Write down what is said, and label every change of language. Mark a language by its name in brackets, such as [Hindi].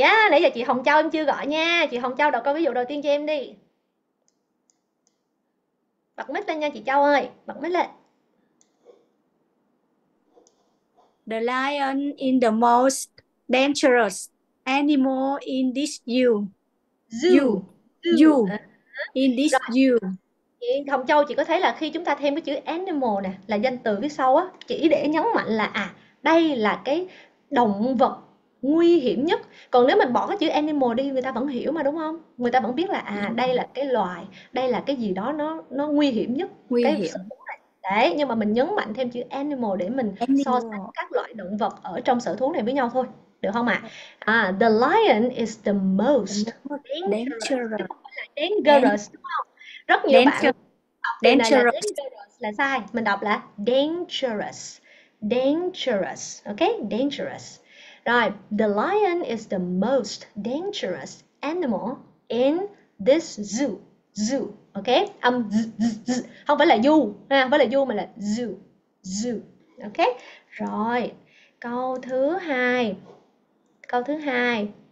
[Vietnamese] Nãy giờ chị Hồng Châu em chưa gọi nha. Chị Hồng Châu đọc câu ví dụ đầu tiên cho em đi. Bật mic lên nha chị Châu ơi. Bật mic lên. [English] The lion is the most dangerous animal in this zoo. Zoo. In this zoo. [Vietnamese] Chị Hồng Châu chị có thấy là khi chúng ta thêm cái chữ animal nè, là danh từ phía sau á, chỉ để nhấn mạnh là đây là cái động vật nguy hiểm nhất. Còn nếu mình bỏ cái chữ animal đi, người ta vẫn hiểu mà đúng không? Người ta vẫn biết là đây là cái loài, đây là cái gì đó nó nguy hiểm nhất. Nguy cái hiểm. Đấy, nhưng mà mình nhấn mạnh thêm chữ animal để mình animal. So sánh các loại động vật ở trong sở thú này với nhau thôi. Được không ạ? [English] The lion is the most dangerous. [Vietnamese] Dangerous, đúng không? Rất nhiều [English] dangerous. [Vietnamese] Bạn dangerous. Dangerous là sai. Mình đọc là dangerous. [English] Dangerous, ok? Dangerous. Rồi, the lion is the most dangerous animal in this zoo. Zoo, ok? [Vietnamese] Âm z, không phải là du, không phải là du mà là zoo. Zoo, ok? Rồi, câu thứ hai. Câu thứ hai.